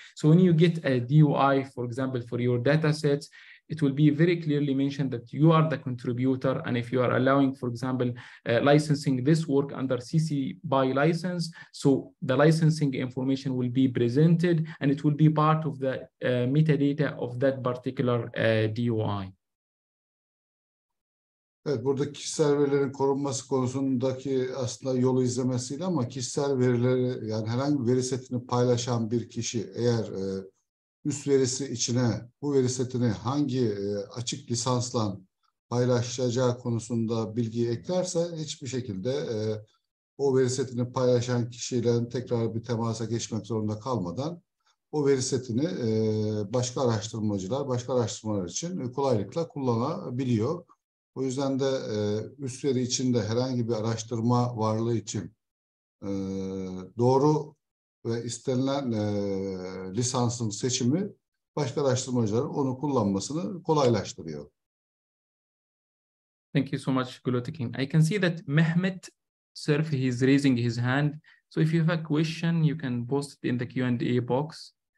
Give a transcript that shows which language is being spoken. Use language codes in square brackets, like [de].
[en] So when you get a DOI, for example, for your data sets, it will be very clearly mentioned that you are the contributor. And if you are allowing, for example, licensing this work under CC BY license, so the licensing information will be presented and it will be part of the metadata of that particular DOI. [tr] Evet, burada kişisel verilerin korunması konusundaki aslında yolu izlemesiyle ama kişisel verileri, yani herhangi bir veri setini paylaşan bir kişi eğer üst verisi içine bu veri setini hangi açık lisansla paylaşacağı konusunda bilgiyi eklerse hiçbir şekilde o veri setini paylaşan kişiyle tekrar bir temasa geçmek zorunda kalmadan o veri setini başka araştırmacılar, başka araştırmalar için kolaylıkla kullanabiliyor. O yüzden de üst veri içinde herhangi bir araştırma varlığı için doğru ve istenilen lisansın seçimi başka araştırmacıların onu kullanmasını kolaylaştırıyor. [en] Thank you so much, Gulotekin. I can see that Mehmet Serf is raising his hand. So if you have a question, you can post it in the Q&A box.